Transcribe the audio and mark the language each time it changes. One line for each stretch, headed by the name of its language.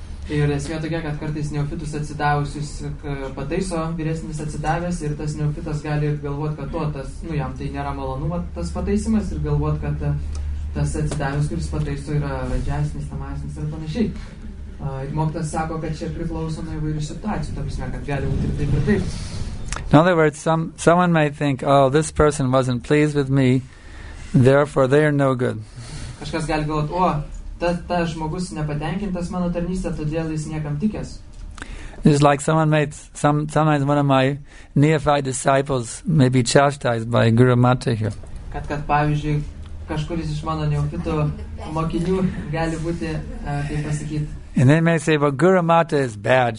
Lithuanian: Ir esmė tokia, kad kartais neofitus atsidavusius pataiso, vyresnis atsidavęs, ir tas neofitas gali galvoti, kad tuo, tas, nu, jam tai nėra malonu, va, tas pataisimas, ir galvoti, kad tas atsidavęs, kuris pataiso, yra radžiasnis, tamasnis ir panašiai. Ir moktas sako, kad čia priklauso nuo įvairių situacijų, ta prasme, kad gali būti ir taip ir taip.
English: In other words, someone might think, oh, this person wasn't pleased with me, therefore they are no good.
Lithuanian: Kažkas gali galvot, o, ta žmogus nepatenkintas mano tarnystė, todėl jis niekam tikęs.
English: It's like sometimes one of my neophyte disciples may be chastised by Guru Mata here.
Lithuanian: Kad pavyzdžiui, kažkuris iš mano neofito mokinių gali būti, kaip pasakyti.
English: And they may say, well, Guru Mata is bad.